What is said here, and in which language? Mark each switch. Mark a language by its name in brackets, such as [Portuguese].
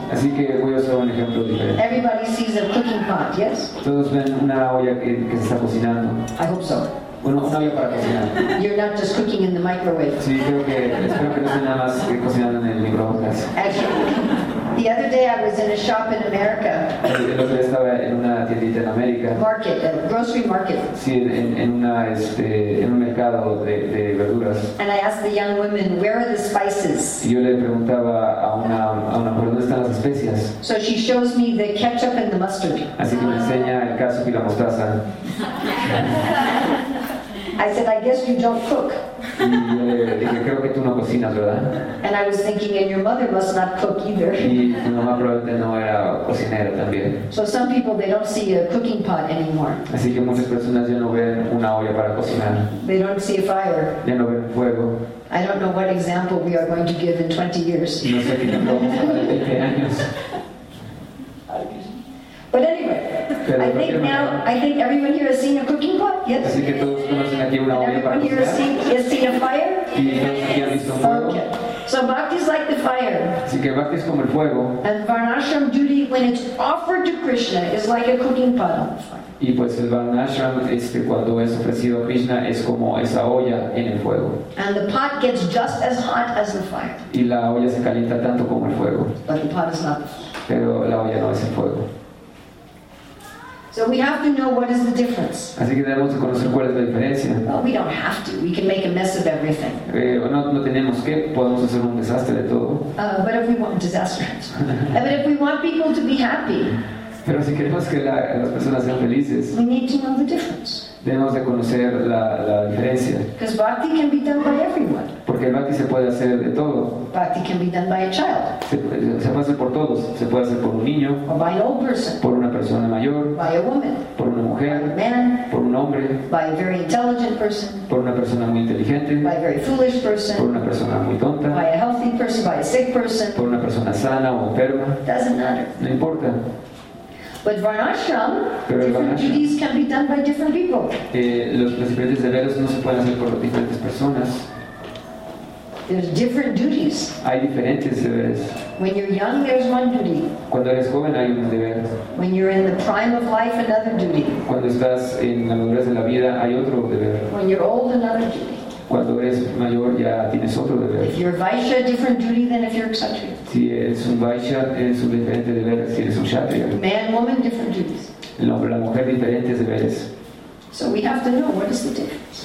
[Spanish] Así que voy a usar un ejemplo diferente. [English] Everybody sees a cooking pot, yes? [Spanish] Todos ven una olla que se está cocinando. [English] I hope so. [Spanish] Bueno, una olla para cocinar. [English] You're not just cooking in the microwave. [Spanish] Sí, espero que no sea nada más que cocinando en el microondas. [English] The other day I was in a shop in America. [Spanish] El otro día estaba en una tiendita en América. [English] Market, a grocery market. [Spanish] Sí, en un mercado de verduras. [English] And I asked the young women, where are the spices? [Spanish] Y yo le preguntaba a una mujer, ¿dónde están las especias? [English] So she shows me the ketchup and the mustard. [Spanish] Así que me enseña el ketchup y la mostaza. [English] I said, I guess you don't cook. [Spanish] Y yo le dije, creo que tú no cocinas, ¿verdad? [English] And I was thinking, and your mother must not cook either. [Spanish] Y tu mamá probablemente no era cocinera también. [English] So some people, they don't see a cooking pot anymore. [Spanish] Así que muchas personas ya no ven una olla para cocinar. [English] They don't see a fire. [Spanish] Ya no ven fuego. [English] I don't know what example we are going to give in 20 years. [Spanish] No sé qué ejemplo vamos a dar en 20 años. [English] But anyway, I think everyone here has seen a cooking pot. Yes. [Spanish] Así que todos conocen aquí una olla para cocinar. [English] Everyone here has seen a fire. Okay. So bhakti is like the fire. [Spanish] Así que bhakti es como el fuego. [English] And varnashram duty, when it's offered to Krishna, is like a cooking pot on the fire. [Spanish] Y pues el varnashram cuando es ofrecido a Krishna es como esa olla en el fuego. [English] And the pot gets just as hot as the fire. [Spanish] Y la olla se calienta tanto como el fuego. [English] But the pot is not. [Spanish] Pero la olla no es el fuego. [English] So we have to know what is the difference. [Spanish] Así que debemos conocer cuál es la diferencia. [English] Well, we don't have to. We can make a mess of everything. [Spanish] No tenemos que. Podemos hacer un desastre de todo. [English] But if we want disaster. But if we want people to be happy. [Spanish] Pero si queremos que las personas sean felices, [English] we need to know the difference. [Spanish] Debemos de conocer la diferencia. [English] Because bhakti can be done by everyone. [Spanish] Porque el bhakti se puede hacer de todo. [English] Bhakti can be done by a child. [Spanish] Se puede hacer por todos. Se puede hacer por un niño. [English] Or by an old person. [Spanish] Por una persona mayor. [English] By a woman. [Spanish] Por una mujer. [English] By a man. [Spanish] Por un hombre. [English] By a very intelligent person. [Spanish] Por una persona muy inteligente. [English] By a very foolish person. [Spanish] Por una persona muy tonta. [English] By a healthy person. By a sick person. [Spanish] Por una persona sana o enferma. [English] Doesn't matter. [Spanish] No importa. [English] But Varnashram, different duties can be done by different people. [Spanish] Los diferentes deberes no se pueden hacer por diferentes personas. [English] There's different duties. [Spanish] Hay diferentes deberes. [English] When you're young, there's one duty. [Spanish] Cuando eres joven, hay un deber. [English] When you're in the prime of life, another duty. [Spanish] Cuando estás en la madurez de la vida, hay otro deber. [English] When you're old, another duty. [Spanish] Cuando eres mayor ya tienes otro deber. [English] If you're vaishya, different duty than if you're a kshatriya. [Spanish] Si eres un vaishya, es un diferente deber. Si eres un kshatriya. [English] Man, woman, different duties. [Spanish] El hombre, la mujer, diferentes deberes. [English] So we have to know what is the difference.